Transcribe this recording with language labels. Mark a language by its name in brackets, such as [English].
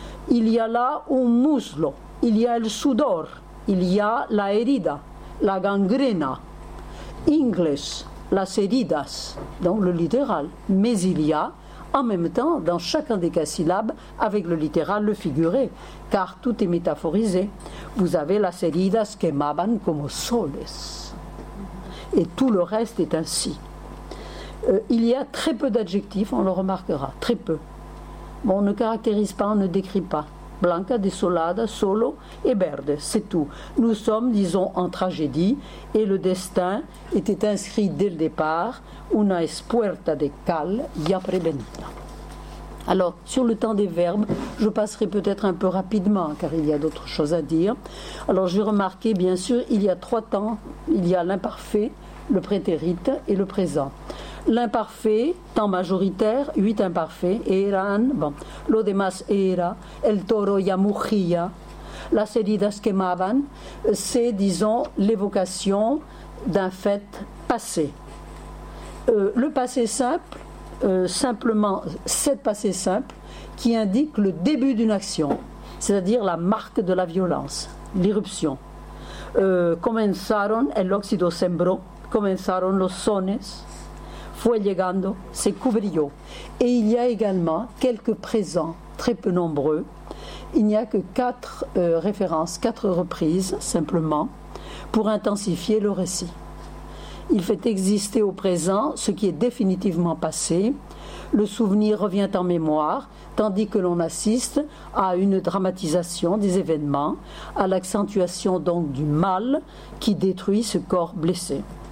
[French] Il y a là un muslo, il y a el sudor, il y a [Spanish] la herida, la gangrena, ingles, las heridas, [French] donc le littéral, mais il y a en même temps, dans chacun des casyllabes, avec le littéral, le figuré, car tout est métaphorisé. Vous avez [Spanish] las heridas quemaban como soles. [French] Et tout le reste est ainsi. Il y a très peu d'adjectifs, on le remarquera, très peu. Bon, on ne caractérise pas, on ne décrit pas. [Spanish] Blanca, desolada, solo [French] et verde, c'est tout. Nous sommes, disons, en tragédie et le destin était inscrit dès le départ. [Spanish] Una espuerta de cal ya prevenida. [French] Alors, sur le temps des verbes, je passerai peut-être un peu rapidement car il y a d'autres choses à dire. Alors, j'ai remarqué, bien sûr, il y a trois temps. Il y a l'imparfait, le prétérite et le présent. L'imparfait, temps majoritaire, huit imparfaits, eran, bon, [Spanish] lo demás era, el toro ya mugía, las heridas quemaban, [French] c'est, disons, l'évocation d'un fait passé. Le passé simple, simplement cet passé simple, qui indique le début d'une action, c'est-à-dire la marque de la violence, l'irruption. [Spanish] Comenzaron el óxido sembró, comenzaron los sones, fue llegando, se cubrió. [French] Et il y a également quelques présents, très peu nombreux. Il n'y a que quatre références, quatre reprises simplement. pour intensifier le récit. Il fait exister au présent ce qui est définitivement passé. Le souvenir revient en mémoire, tandis que l'on assiste à une dramatisation des événements, à l'accentuation donc du mal qui détruit ce corps blessé.